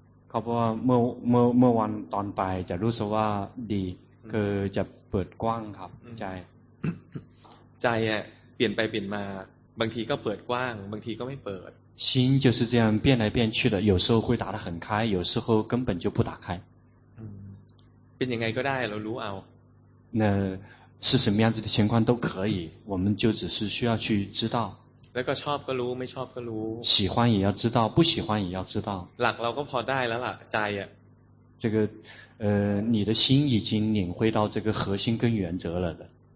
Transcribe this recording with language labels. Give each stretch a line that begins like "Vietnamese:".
Thai: เขาบอกว่าเมื่อวันตอนไปจะรู้สึกว่าดีคือจะเปิดกว้างครับใจ อ่ะเปลี่ยนไปเปลี่ยนมาบางทีก็เปิดกว้างบางทีก็ไม่เปิด
Chinese: 心就是这样变来变去的有时候会打得很开有时候根本就不打开
Thai: เป็นยังไงก็ได้เรารู้เอา
Chinese: 那是什么样子的情况都可以我们就只是需要去知道
Thai: แล้วก็ชอบก็รู้ไม่ชอบก็รู้
Chinese: 喜欢也要知道不喜欢也要知道
Thai: หลักเราก็พอได้แล้วล่ะใจอ่ะ
Chinese: 这个你的心已经领会到这个核心跟原则了的